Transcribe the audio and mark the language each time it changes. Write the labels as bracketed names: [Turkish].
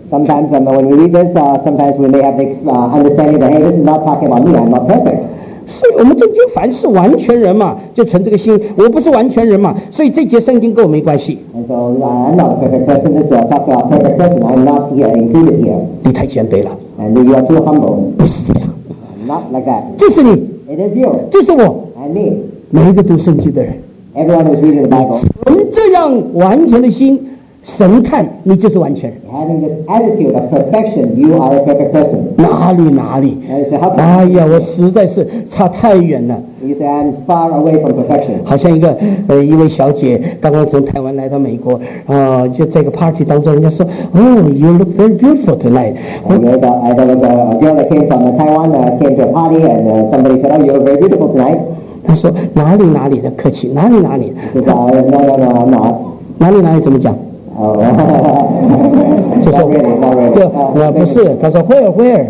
[English] Sometimes when we read this, sometimes we may have this understanding that hey, this is not talking about me. I'm not perfect. [Chinese] 所以我们中间凡是完全人嘛，就存这个心。我不是完全人嘛，所以这节圣经跟我没关系。 [English] And so I'm not a perfect person. This is talking about perfect person. I'm not here included here. [Chinese] 你太谦卑了。 [English] And you are too humble. [Chinese] 不是这样。 [English] Not like that. [Chinese] 就是你。 [English] It is you. [Chinese] 就是我。 [English] And me. [Chinese] 每一个读圣经的人。 [English] Everyone who's reading the Bible. [Chinese] 存这样完全的心，神看你就是完全人。 [English] Having this attitude of perfection, you are a perfect person. [Chinese] 哪里哪里。 [English] And you say, how can I? [Chinese] 我实在是差太远了。 [English] You say, I'm far away from perfection. [Chinese] 好像一位小姐刚刚从台湾来到美国，就在一个 party 当中，人家说 ， [English] Oh, you look very beautiful tonight. And there was a girl that came from Taiwan, came to a party, and somebody said, Oh, you're very beautiful tonight. [Chinese] 她说哪里哪里的客气，哪里哪里。 [English] She said, No, no, no, not. [Chinese] 哪里哪里怎么讲？ [English] 哦、oh, really, really. Oh, really. Oh, really. [Chinese] 不是他说 [English] where where、